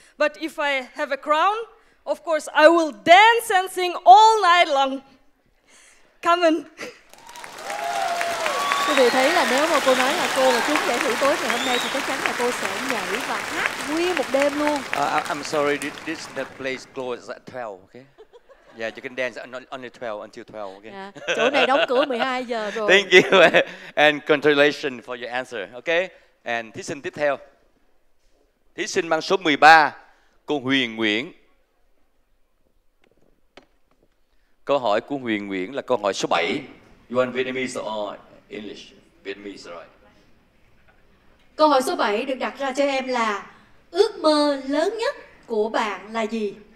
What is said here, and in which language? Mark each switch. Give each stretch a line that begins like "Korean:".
English: But if I have a crown, of course, I will dance and sing all night long. Come on.
Vietnamese: Quý vị thấy là nếu mà cô nói là cô mà trúng giải thưởng tối ngày hôm nay thì chắc chắn là cô sẽ nhảy và hát nguyên một đêm luôn.
English: I'm sorry, this the place closes at 12, okay? Yeah, you can dance only 12 until 12, okay?
Vietnamese: Yeah. Chỗ này đóng cửa 12 giờ rồi.
English: Thank you and congratulations for your answer, okay?
Vietnamese: And thí sinh tiếp theo. Thí sinh mang số 13, cô Huyền Nguyễn. Câu hỏi của Huyền Nguyễn là câu hỏi số 7.
English: You want Vietnamese or English? Vietnamese, right?
Vietnamese: Câu hỏi số 7 được đặt ra cho em là ước mơ lớn nhất của bạn là gì?